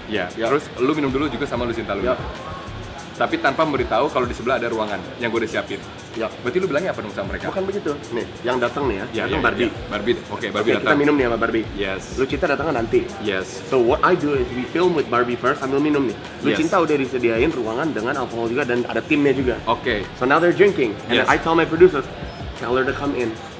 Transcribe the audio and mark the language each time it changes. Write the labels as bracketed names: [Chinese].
[Indonesian] Terus lo minum dulu juga sama Lucinta lo. Tapi tanpa memberitahu kalau di sebelah ada ruangan yang gue udah siapin. Berarti lo bilangnya apa dong sama mereka? Bukan begitu. Nih, yang datang nih ya. Barbie. Barbie datang. Kita minum nih sama Barbie. [English] Yes. [Indonesian] Lucinta datang nanti. [English] Yes. So what I do is we film with Barbie first [Indonesian] sambil minum nih. Lucinta udah disediain ruangan dengan alkohol juga dan ada timnya juga. [English] So now they're drinking. And I tell my producers, tell her to come in.